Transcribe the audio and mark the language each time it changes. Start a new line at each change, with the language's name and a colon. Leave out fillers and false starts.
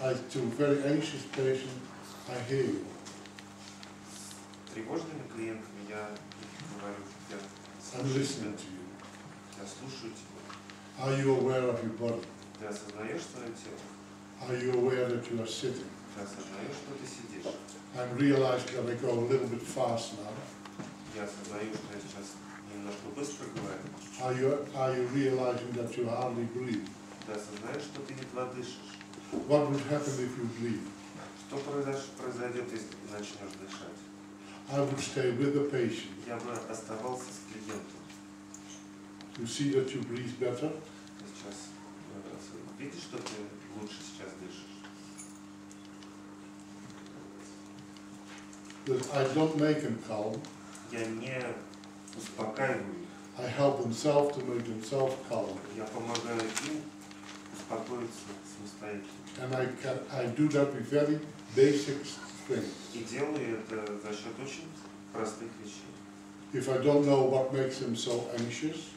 English: To a very anxious patient, I hear you.
Russian: Тревожными клиентами я говорю, я
English: listening to you.
Russian: Я слушаю тебя.
English: Are you aware of your body?
Russian: Ты осознаешь свое тело?
English: Are you aware that you are sitting?
Russian: Ты осознаешь, что ты сидишь?
English: I'm realizing that I go a little bit fast now.
Russian: Я осознаю, что я сейчас немножко быстро говорю.
English: Are you realizing that you hardly breathe?
Russian: Ты осознаешь, что ты едва дышишь?
English: What would happen if you breathe?
Russian: Что произойдет, если ты начнешь дышать?
English: I would stay with the patient.
Russian: Я бы оставался с клиентом.
English: You see that you breathe better?
Russian: Сейчас вибрации. Видишь, что ты лучше сейчас дышишь?
English: Because I don't make him calm.
Russian: Я не успокаиваю их.
English: I help himself to make himself calm.
Russian: Я помогаю им успокоиться самостоятельно.
English: And I do that with very basic things.
Russian: И делаю это за счет очень простых вещей.
English: If I don't know what makes him so anxious,